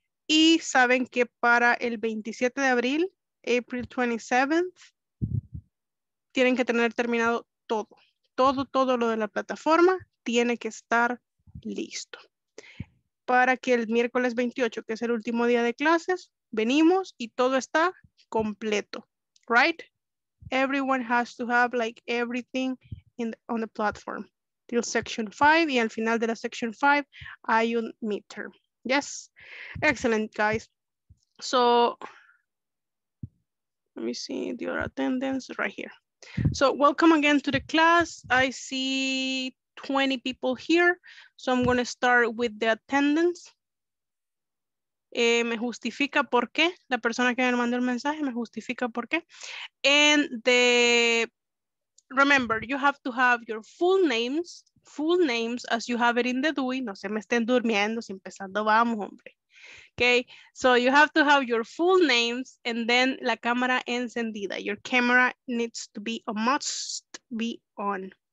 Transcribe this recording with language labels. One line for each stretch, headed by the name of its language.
Spanish: Y saben que para el 27 de abril,
English: April 27th,
Spanish: tienen que tener terminado todo. Todo, todo lo de la plataforma tiene que estar listo. Para que el miércoles 28, que es el último día de clases, venimos y todo está completo.
English: Right? Everyone has to have like everything in the, on the platform. Till section 5
Spanish: y al final de la section 5 hay un midterm.
English: Yes, excellent, guys. So, let me see the other attendance right here. So, welcome again to the class. I see 20 people here. So, I'm going to start with the attendance.
Spanish: Me justifica por qué. La persona que me mandó el mensaje me justifica por qué.
English: And the, remember, you have to have your full names. Full names as you have it in the DUI.
Spanish: No se me estén durmiendo, si empezando vamos, hombre.
English: Okay, so you have to have your full names and then
Spanish: la cámara encendida.
English: Your camera needs to be a must be on.